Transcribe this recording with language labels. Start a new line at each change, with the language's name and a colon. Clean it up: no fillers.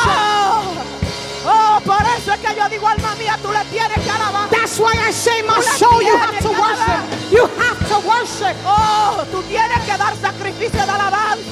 Spanish: Oh, oh, por eso es que yo digo alma mía, tú le tienes que alabar.
English: That's why I say my soul, you have to worship. You have to worship.
Spanish: Oh, tú tienes que dar sacrificio de alabanza.